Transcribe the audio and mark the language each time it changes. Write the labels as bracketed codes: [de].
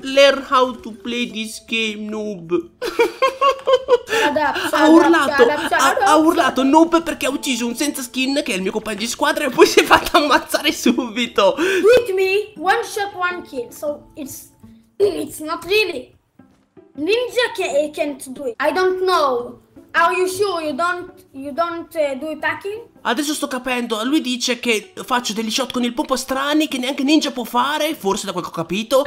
[en] learn how to play this game, noob. [it] Ha urlato noob perché ha ucciso un senza skin che è il mio compagno di squadra e poi si è fatto ammazzare subito. [en] With me, one shot, one kill. So it's not really ninja can't do it. I don't know. Are you sure you don't do attacking? [it] Adesso sto capendo. Lui dice che faccio degli shot con il pompo strani che neanche ninja può fare, forse da quel che ho capito.